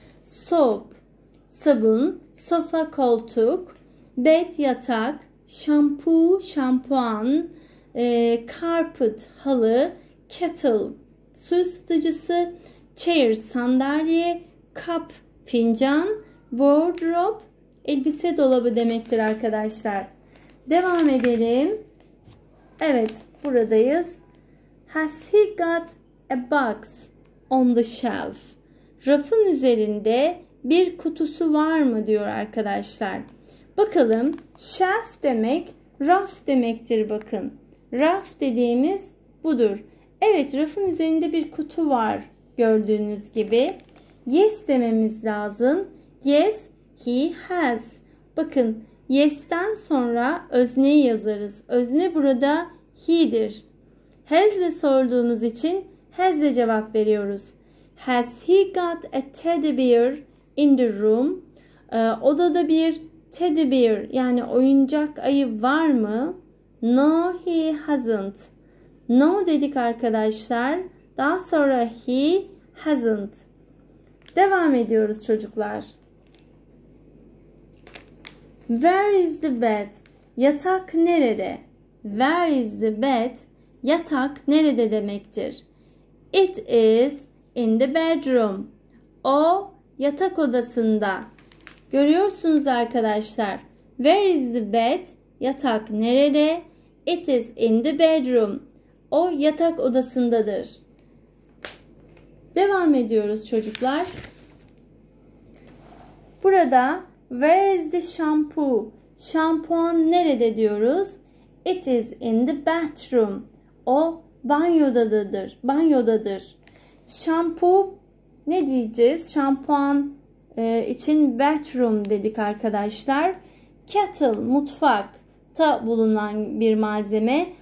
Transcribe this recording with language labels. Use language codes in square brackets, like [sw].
[tr] Soap, sabun, sofa, koltuk, bed, yatak, şampuan, carpet, halı, kettle, su ısıtıcısı, chair, sandalye, cup, fincan, wardrobe, elbise dolabı demektir arkadaşlar. Devam edelim. Evet, buradayız. [en] Has he got a box on the shelf? [tr] Rafın üzerinde bir kutusu var mı diyor arkadaşlar. Bakalım shelf demek raf demektir bakın. Raf dediğimiz budur. Evet rafın üzerinde bir kutu var gördüğünüz gibi. [en] Yes [tr] dememiz lazım. [en] Yes he has. [tr] Bakın yes'ten sonra özneyi yazarız. Özne burada he'dir. Has'le sorduğumuz için has'le cevap veriyoruz. [en] Has he got a teddy bear in the room? [tr] Odada bir teddy bear yani oyuncak ayı var mı? [en] No, he hasn't. [tr] No dedik arkadaşlar. Daha sonra [en] he hasn't. [tr] Devam ediyoruz çocuklar. [en] Where is the bed? [tr] Yatak nerede? [en] Where is the bed? [tr] Yatak nerede demektir? [en] It is in the bedroom. [tr] O yatak odasında. Görüyorsunuz arkadaşlar. [en] Where is the bed? [tr] Yatak nerede? [en] It is in the bedroom. [tr] O yatak odasındadır. Devam ediyoruz çocuklar. Burada [en] where is the shampoo? [tr] Şampuan nerede diyoruz? [en] It is in the bathroom. [tr] O banyodadır. Banyodadır. Şampu ne diyeceğiz? Şampuan için bathroom dedik arkadaşlar. Kettle mutfakta bulunan bir malzeme.